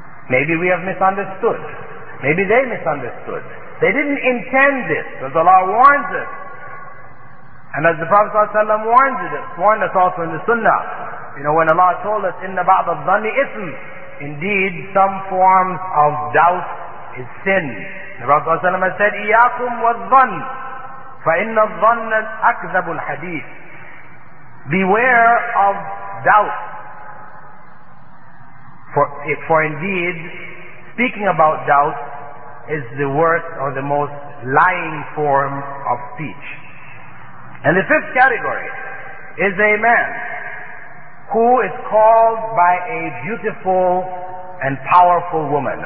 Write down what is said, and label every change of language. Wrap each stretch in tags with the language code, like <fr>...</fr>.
<en>Maybe we have misunderstood. Maybe they misunderstood. They didn't intend this, because Allah warns us. And as the Prophet ﷺ warned us also in the Sunnah, you know, when Allah told us,</en> <ar>إِنَّ بَعْضَ الظَّنِّ إِثْمٍ,</ar> <en>indeed, some forms of doubt is sin. The Prophet ﷺ has said,</en> <ar>إِيَّاكُمْ وَالظَّنِّ فَإِنَّ الظَّنَّ أَكْذَبُ الْحَدِيثِ.</ar> <en>Beware of doubt. For indeed, speaking about doubt is the worst or the most lying form of speech. And the fifth category is a man who is called by a beautiful and powerful woman.</en>